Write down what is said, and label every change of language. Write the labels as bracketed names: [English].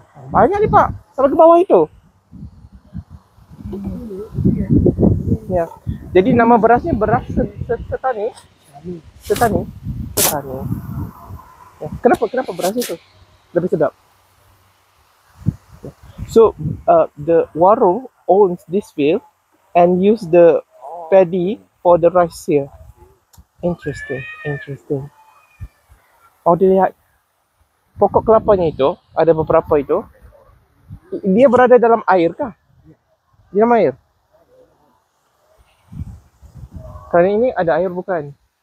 [Malay] Banyak ni, Pak. Sampai ke bawah itu. Ya. Jadi nama berasnya beras setani. Setani. Ya. Kenapa beras itu lebih sedap? Ya. [English] So the warung owns this field and use the paddy for the rice here. Interesting. [Malay] Oh, dilihat pokok kelapanya itu ada beberapa itu. Dia berada dalam air kah? Di dalam air. Kerana ini ada air bukan?